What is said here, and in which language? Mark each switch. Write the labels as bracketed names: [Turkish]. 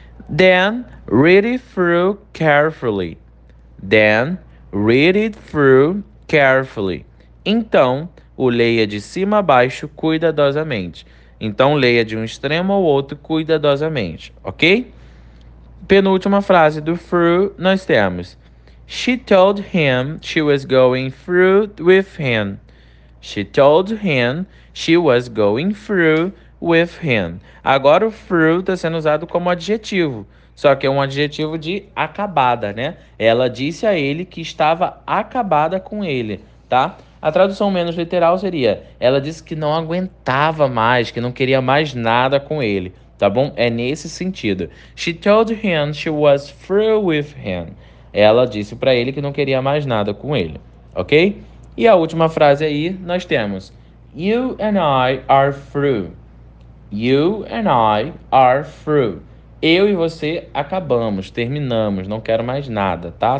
[English] Dan read it through carefully. Dan read it through carefully. [Portuguese] Então, o leia de cima a baixo cuidadosamente. Então, leia de um extremo ao outro cuidadosamente, ok? Penúltima frase do through, nós temos. [English] She told him she was going through with him. She told him she was going through with him. [Portuguese] Agora, o through está sendo usado como adjetivo. Só que é um adjetivo de acabada, né? Ela disse a ele que estava acabada com ele, tá? A tradução menos literal seria: ela disse que não aguentava mais, que não queria mais nada com ele, tá bom? É nesse sentido. [English] She told him she was through with him. [Portuguese] Ela disse para ele que não queria mais nada com ele, ok? E a última frase aí nós temos: [English] You and I are through. You and I are through. [Portuguese] Eu e você acabamos, terminamos, não quero mais nada, tá?